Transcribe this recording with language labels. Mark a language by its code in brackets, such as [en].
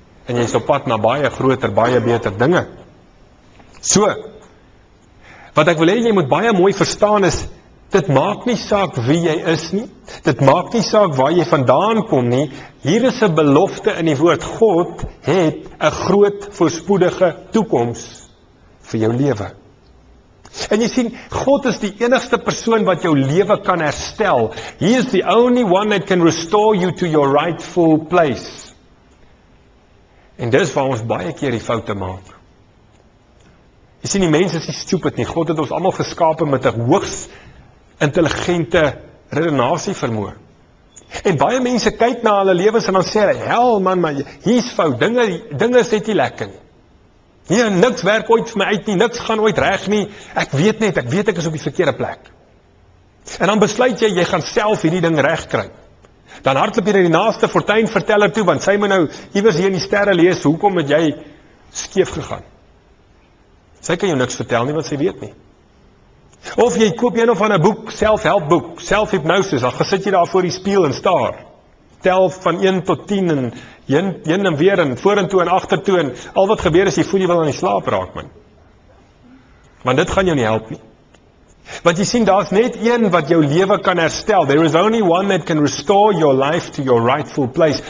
[af] En jy is op pad na baie groter, baie beter dinge. So, wat ek wil hê, jy moet baie mooi verstaan is, dit maak nie saak wie jy is nie, dit maak nie saak waar jy vandaan kom nie, hier is 'n belofte in die woord, God het 'n groot voorspoedige toekoms vir jou lewe. En jy sien, God is die enigste persoon wat jou lewe kan herstel. [en] He is the only one that can restore you to your rightful place. [af] En dis waar ons baie keer die foute maak. Jy sien, die mens is nie stupid nie. God het ons allemaal geskape met 'n hoogs intelligente redenasie vermoë. En baie mense kyk na hulle lewens en dan sê hulle, hel man, maar hier is fout, dinge is net nie lekker nie. Nee, niks werk ooit vir my uit nie, niks gaan ooit reg nie, ek weet ek is op die verkeerde plek. En dan besluit jy, jy gaan self hierdie ding reg kry. Dan hardloop jy na die naaste fortuinverteller toe, want sy moet nou iewers hier in die sterre lees, hoekom het jy skeef gegaan? Sy kan jou niks vertel nie, want sy weet nie. Of jy koop een of ander boek, self-helpboek, self-hypnosis, dan gesit jy daar voor die spieël en staar. Tel van 1 tot 10 en jyn en weer en voor en toe en achter toe en al wat gebeur is, jy voel jy wil aan die slaap raak, man. Want dit gaan jou nie help nie. Want jy sien, daar is net een wat jou lewe kan herstel. [en] There is only one that can restore your life to your rightful place.